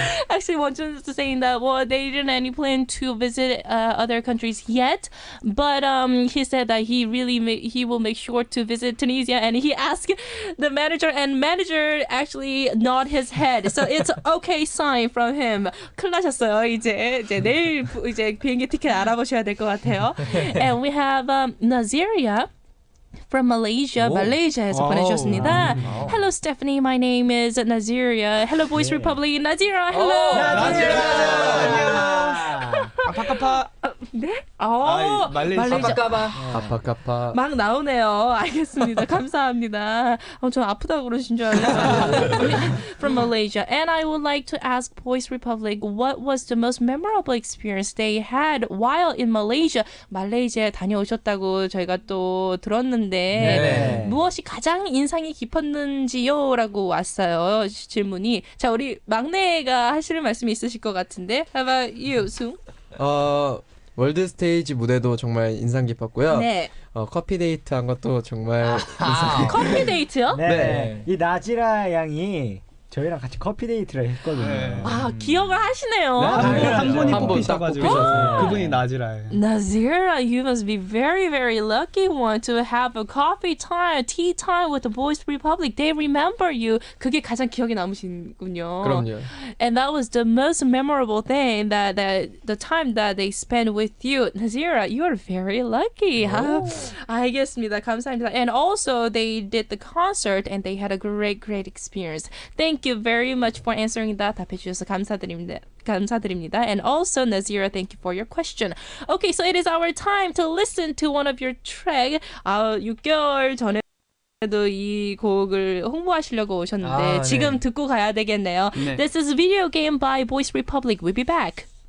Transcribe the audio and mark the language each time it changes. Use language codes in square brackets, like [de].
[en] Actually, Wonjun is saying that well, they didn't any plan to visit other countries yet, but he said that he will make sure to visit Tunisia, and he asked the manager, and manager actually nod his head. So it's okay sign from him. [ko] 큰일 나셨어요. 이제 내일 이제 비행기 티켓 알아보셔야 될 것 같아요. [en] And we have Naziria from Malaysia. 오. [ko] 말레이시아에서 보내주셨습니다. [en] Hello, Stephanie. My name is Naziria. Hello, Voice yeah. Republic. Naziria, hello. 오, Naziria. [ms] 아파카파. [ko] 네? 말레이시아. [ms] 아파카파. [ko] 막 나오네요. 알겠습니다. 감사합니다. 저 아프다고 그러신 줄 알았어요. [en] From Malaysia. And I would like to ask Voice Republic, what was the most memorable experience they had while in Malaysia? [ko] 말레이시아에 다녀오셨다고 저희가 또 들었는데 네. 무엇이 가장 인상이 깊었는지요라고 왔어요 질문이. 자, 우리 막내가 하실 말씀이 있으실 것 같은데. [en] How about you, Sung? [ko] 월드 스테이지 무대도 정말 인상 깊었고요. 네. 커피 데이트 한 것도 정말 인상 깊. 커피 데이트요? 네. 네. 이 나지라 양이 저희랑 같이 커피 데이트를 했거든요. 네. 아, 기억을 하시네요. 네, 한 분이 뽑히셔가지고 그분이 나지라예요. [en] Naziria, you must be very, very lucky one to have a coffee time, tea time with the Voice Republic. They remember you. [ko] 그게 가장 기억에 남으신군요. 그럼요. [en] And that was the most memorable thing that the time that they spent with you. Naziria, you are very lucky. [ko] 알겠습니다. 감사합니다. [en] And also, they did the concert and they had a great, great experience. Thank you very much for answering that. [ko] 답해주셔서 감사드립니다. [en] And also, Naziria, thank you for your question. Okay, so it is our time to listen to one of your tracks. [ko] 6개월 전에. 그래도 이 곡을 홍보하시려고 오셨는데 아, 지금 네. 듣고 가야 되겠네요. 네. [en] This is a video game by Boys Republic. We'll be back.